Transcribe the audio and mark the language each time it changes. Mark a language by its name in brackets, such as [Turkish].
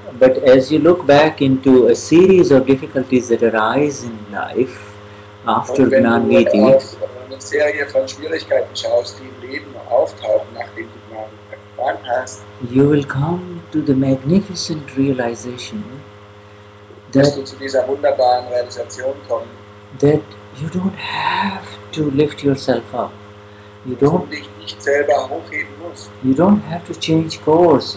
[English] But as you look back into a series of difficulties that arise in life after Gnanmiti, [German] eine Serie von Schwierigkeiten schaust, die im Leben auftauchen, nachdem du Gnan erfahren hast, [English] you will come to the magnificent realization that you don't have to lift yourself up. You don't have to change course.